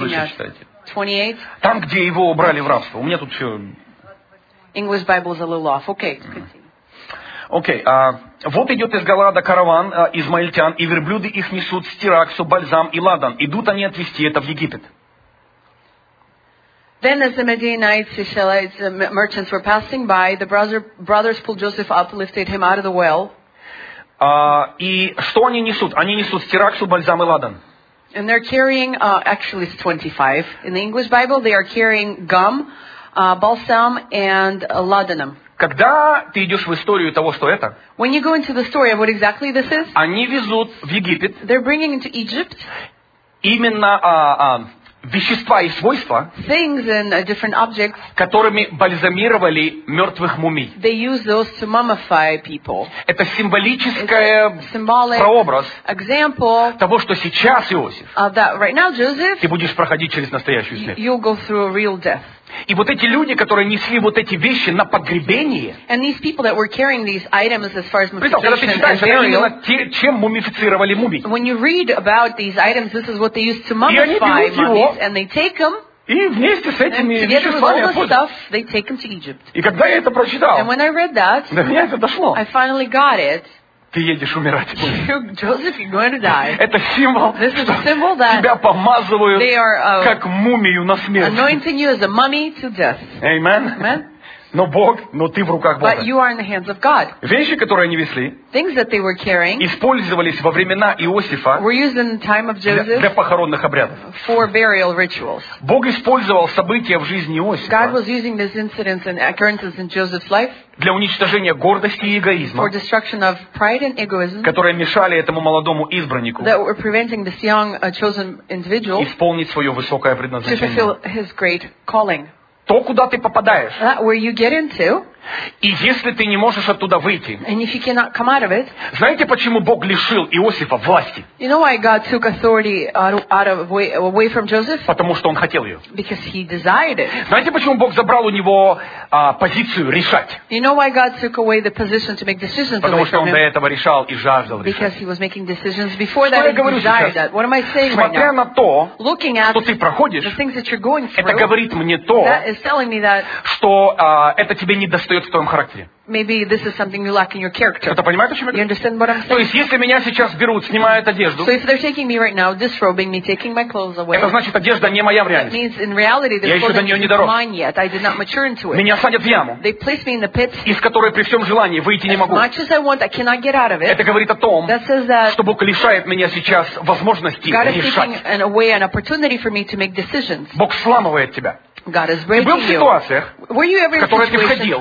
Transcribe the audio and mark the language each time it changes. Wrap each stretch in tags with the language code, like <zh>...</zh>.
<en>looking at? 28?</en> <ru>Там, где его убрали в рабство. У меня тут все...</ru> <en>English Bible is a little off. Okay, continue. Okay.</en> <ru>Вот идет из Галаада караван измаильтян, и верблюды их несут стираксу, бальзам и ладан. Идут они отвезти это в Египет.</ru> <en>Then as the Midianites, Ishmaelites, merchants were passing by, the brothers pulled Joseph up, lifted him out of the well.</en> <ru>И что они несут? Они несут стираксу, бальзам и ладан.</ru> <en>And they're carrying, actually it's 25. In the English Bible, they are carrying gum, balsam and laudanum.</en> <ru>Когда ты идешь в историю того, что это,</ru> <en>when you go into the story of what exactly this is,</en> <ru>они везут в Египет,</ru> <en>they're bringing into Egypt,</en> <ru>именно вещества и свойства,</ru> <en>things and different objects,</en> <ru>которыми бальзамировали мертвых мумий.</ru> <en>They use those to mummify people.</en> <ru>Это символическое прообраз того, что сейчас, Иосиф,</ru> <en>that right now, Joseph,</en> <ru>ты будешь проходить через настоящую смерть.</ru> <en>You'll go through a real death.</en> <ru>И вот эти люди, которые несли вот эти вещи на погребение,</ru> <en>and these people that were carrying these items as far as mummification,</en> <ru>когда ты читаешь,</ru> <en>burial,</en> <ru>чем мумифицировали мумий.</ru> <en>When you read about these items, this is what they used to mummify mummies, and they take them,</en> <ru>и вместе с этими веществами,</ru> <en>stuff, they take them to Egypt.</en> <ru>И когда я это прочитал,</ru> <en>and when I read that,</en> <ru>до меня это дошло.</ru> <en>I finally got it.</en> <ru>Ты едешь умирать.</ru> <en>Joseph, you're going to die.</en> <ru>Это символ,</ru> <en>что symbol that</en> <ru>тебя помазывают</ru> <en>are,</en> <ru>как мумию на смерть.</ru> <en>Anointing you as a mummy to death. Amen. Amen.</en> <ru>Но Бог, но ты в руках Бога.</ru> <en>But you are in the hands of God.</en> <ru>Вещи, которые они везли,</ru> <en>things that they were carrying,</en> <ru>использовались во времена Иосифа,</ru> <en>were used in the time of Joseph,</en> <ru>для похоронных обрядов.</ru> <en>For burial rituals.</en> <ru>Бог использовал события в жизни Иосифа.</ru> <en>God was using these incidents and occurrences in Joseph's life.</en> <ru>Для уничтожения гордости и эгоизма,</ru> <en>for destruction of pride and egoism,</en> <ru>которые мешали этому молодому избраннику,</ru> <en>that were preventing this young, chosen individual,</en> <ru>исполнить свое высокое предназначение.</ru> <en>To fulfill his great calling.</en> <ru>То, куда ты попадаешь,</ru> <en>that where you get into,</en> <ru>И если ты не можешь оттуда выйти,</ru> <en>and if you cannot come out of it,</en> <ru>знаете, почему Бог лишил Иосифа власти?</ru> <en>You know why God took authority away from Joseph?</en> <ru>Потому что он хотел ее.</ru> <en>Because he desired it.</en> <ru>Знаете, почему Бог забрал у него позицию решать?</ru> <en>You know why God took away the position to make decisions?</en> <ru>Потому что он до этого решал и жаждал решать.</ru> <en>Because he was making decisions before that.</en> <ru>Что я говорю сейчас?</ru> <en>What am I saying?</en> <ru>Смотря на то,</ru> <en>looking at</en> <ru>что ты проходишь,</ru> <en>the things that you're going through,</en> <ru>это говорит мне то,</ru> <en>that is telling me that,</en> <ru>что это тебе не достает в твоем характере.</ru> <en>Maybe this is something you lack in your character.</en> <ru>Это понимаете, о чем я?</ru> <en>You understand what I'm saying?</en> <ru>То есть, если меня сейчас берут, снимают одежду.</ru> <en>So if they're taking me right now, disrobing me, taking my clothes away.</en> <ru>Это значит, одежда не моя в реальности.</ru> <en>That means in reality, the clothing is not mine yet. I did not mature into it.</en> <ru>Меня садят в яму.</ru> <en>They place me in the pit.</en> <ru>Из которой при всем желании выйти не могу.</ru> <en>As much as I want, I cannot get out of it.</en> <ru>Это говорит о том,</ru> <en>that says that,</en> <ru>что Бог лишает меня сейчас возможности</ru> <en>God</en> <ru>решать.</ru> <en>God is taking away an opportunity for me to make decisions.</en> <ru>Бог сломывает тебя.</ru> <en>God is breaking you.</en> <ru>Ты был в ситуациях,</ru> <en>were you ever in</en> <ru>которые ты входил,</ru>